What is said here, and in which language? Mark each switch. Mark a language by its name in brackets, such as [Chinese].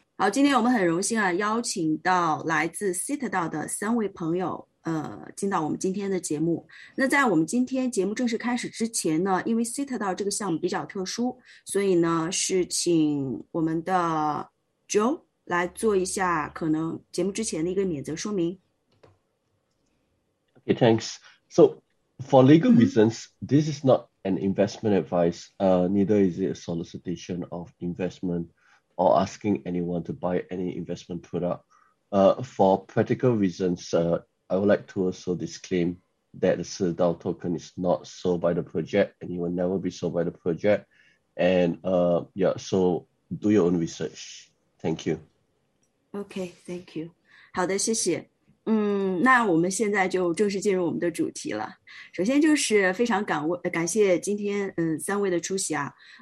[Chinese] 好，今天我们很荣幸啊，邀请到来自 Citadel 的三位朋友进到我们今天的节目。那在我们今天节目正式开始之前呢，因为 Citadel 这个项目比较特殊，所以呢是请我们的 Joe 来做一下可能节目之前的一个免责说明。 [English] Okay, thanks. So for legal reasons, this is not an investment advice, neither is it a solicitation of investment or asking anyone to buy any investment product. For practical reasons, I would like to also disclaim that the Citadel token is not sold by the project and it will never be sold by the project. And so do your own research. Thank you. Okay, thank you. [Chinese] 好的，谢谢。那我们现在就正式进入我们的主题了。首先就是非常感谢今天三位的出席啊。